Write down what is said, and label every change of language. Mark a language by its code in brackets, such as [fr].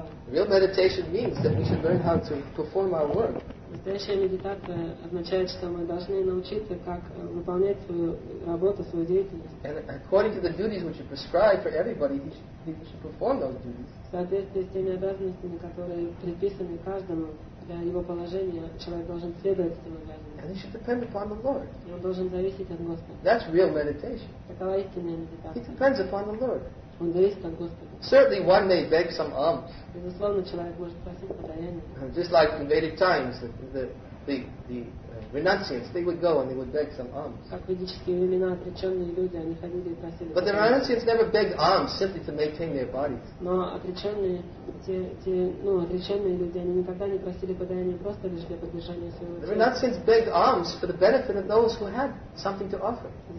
[en] Real meditation means that we should learn how to perform our work. [ru] Настоящая медитация означает, что мы должны научиться, как выполнять свою работу, свою деятельность. [en] And according to the duties which are prescribed for everybody, he should perform those duties. [ru] В соответствии с теми обязанностями, которые предписаны каждому для его положения, человек должен следовать этим обязанностям. [en] And he should depend upon the Lord. [ru] И он должен зависеть от Господа. [en] That's real meditation. [ru] Такова истинная медитация. [en] He depends upon the Lord. [ru] Он зависит от Господа. [en] Certainly one may beg some alms. [ru] Безусловно, человек может просить подаяние. [en] Just like in Vedic times, the the renunciants, they would go and they would beg some alms. But the renunciants never begged alms simply to maintain their bodies. The renunciants begged alms for the benefit of those who had something to offer.